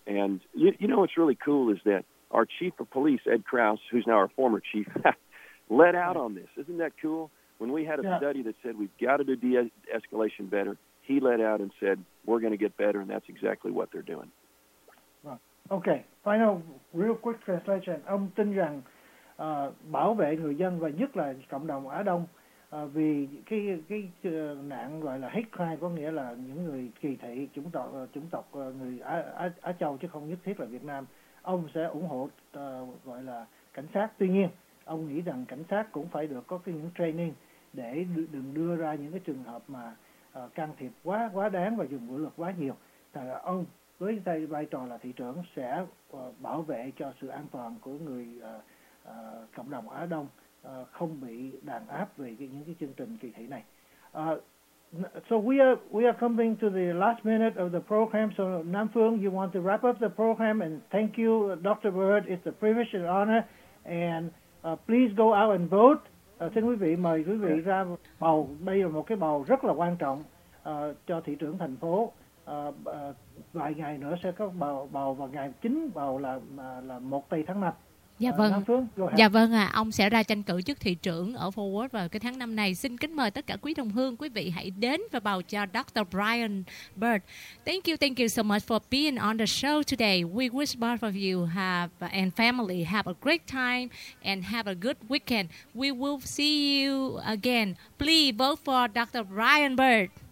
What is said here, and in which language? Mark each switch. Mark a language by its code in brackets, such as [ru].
[en] And you know what's really cool is that our chief of police, Ed Krause, who's now our former chief, let out on this. Isn't that cool? When we had a study that said we've got to do de-escalation better, he let out and said, we're going to get better, and that's exactly what they're doing. Okay, final real quick translation. [vi] Ông tin rằng bảo vệ người dân và nhất là cộng đồng Á Đông vì cái nạn gọi là hate crime, có nghĩa là những người kỳ thị chủng tộc người Á Châu chứ không nhất thiết là Việt Nam. Ông sẽ ủng hộ gọi là cảnh sát. Tuy nhiên, ông nghĩ rằng cảnh sát cũng phải được có những training để đừng đưa ra những cái trường hợp mà can thiệp quá đáng và dùng vũ lực quá nhiều. Thật là ông với vai trò là thị trưởng sẽ bảo vệ cho sự an toàn của người cộng đồng Á Đông không bị đàn áp về những cái chương trình kỳ thị này. [en] So we are coming to the last minute of the program. So Nam Phương, you want to wrap up the program and thank you, Dr. Bird. It's a privilege and honor. And please go out and vote. [vi] Xin quý vị, mời quý vị ra bầu. Đây là một cái bầu rất là quan trọng cho thị trưởng thành phố. Vài ngày nữa sẽ có bầu vào ngày chính, bầu là 1 tây tháng 5. Dạ vâng. Ông sẽ ra tranh cử chức thị trưởng ở Forward vào cái tháng 5 này. Xin kính mời tất cả quý đồng hương, quý vị hãy đến và bầu cho Dr. Brian Bird. [en] Thank you so much for being on the show today. We wish both of you and family have a great time and have a good weekend. We will see you again. Please vote for Dr. Brian Bird.